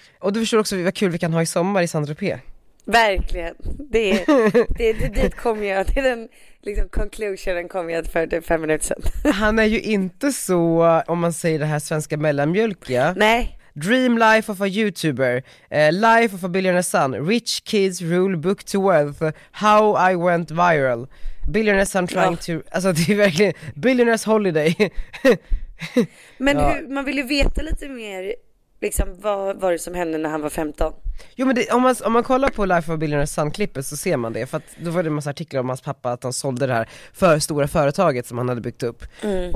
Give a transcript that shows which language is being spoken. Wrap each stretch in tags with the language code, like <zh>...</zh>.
<sv>Och du förstår också vad kul vi kan ha i sommar i Saint-Tropez. Verkligen, det dit kommer jag. Det är den liksom conclusionen kom jag för 5 minuter sedan. Han är ju inte så, om man säger det här svenska mellanmjölkiga. Nej.</sv> <en>Dream life of a YouTuber. Life of a billionaire son. Rich kids rule book to wealth. How I went viral. Billionaire son trying to...</en> <sv>Alltså det är verkligen...</sv> <en>Billionaire's holiday.</en> <sv>Men hur, man vill ju veta lite mer... Liksom, vad var det som hände när han var 15? Jo, men det, om man kollar på Life of a Billionaire Son-klippet så ser man det. För att då var det en massa artiklar om hans pappa att han sålde det här för stora företaget som han hade byggt upp. Mm.</sv>